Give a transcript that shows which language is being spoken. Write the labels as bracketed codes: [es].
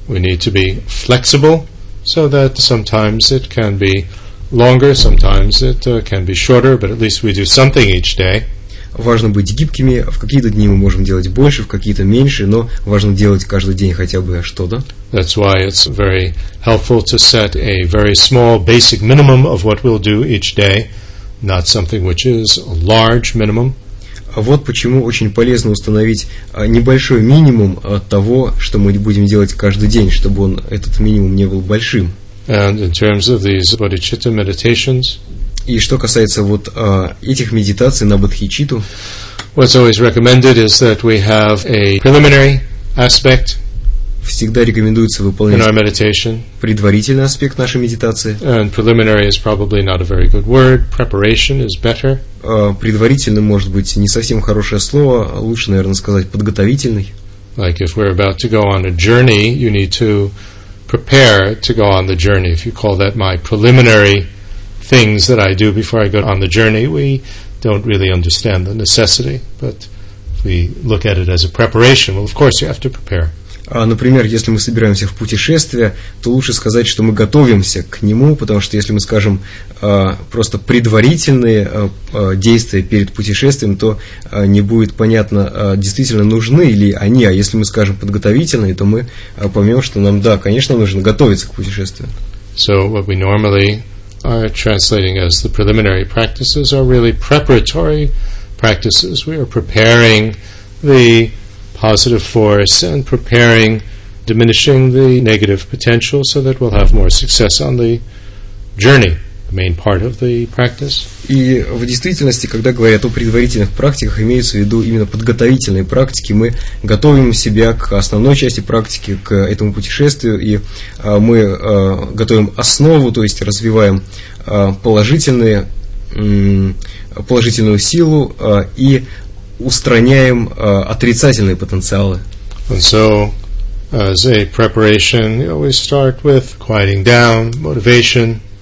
[en] We need to be flexible, so that sometimes it can be longer, sometimes it can be shorter, but at least we do something each day. [ru] Важно быть гибкими, в какие-то дни мы можем делать больше, в какие-то меньше, но важно делать каждый день хотя бы что-то. [en] That's why it's very helpful to set a very small basic minimum of what we'll do each day, not something which is a large minimum. [ru] А вот почему очень полезно установить небольшой минимум от того, что мы будем делать каждый день, чтобы он, этот минимум не был большим. [en] And in terms of these bodhicitta meditations, [ru] и что касается вот этих медитаций на бодхичитту. [en] What's always recommended is that we have a preliminary aspect. [ru] Всегда рекомендуется выполнять [en] in our meditation. [ru] Предварительный аспект нашей медитации. [en] And preliminary is probably not a very good word. Preparation is better. [ru] Предварительный может быть не совсем хорошее слово, а лучше, наверное, сказать подготовительный. [en] Like if we're about to go on a journey, you need to prepare to go on the journey. If you call that my preliminary things that I do before I go on the journey, we don't really understand the necessity, but if we look at it as a preparation, well, of course, you have to prepare. [ru] Например, если мы собираемся в путешествие, то лучше сказать, что мы готовимся к нему, потому что если мы скажем просто предварительные действия перед путешествием, то не будет понятно, действительно нужны ли они, а если мы скажем подготовительные, то мы поймем, что нам, да, конечно, нужно готовиться к путешествию. [en] So what we normally are translating as the preliminary practices are really preparatory practices. We are preparing the positive force and preparing, diminishing the negative potential so that we'll have more success on the journey, the main part of the practice. [ru] И в действительности, когда говорят о предварительных практиках, имеется в виду именно подготовительные практики. Мы готовим себя к основной части практики, к этому путешествию, и мы готовим основу, то есть развиваем положительную силу и устраняем отрицательные потенциалы. [en] And so, as a preparation, you always start with quieting down, motivation.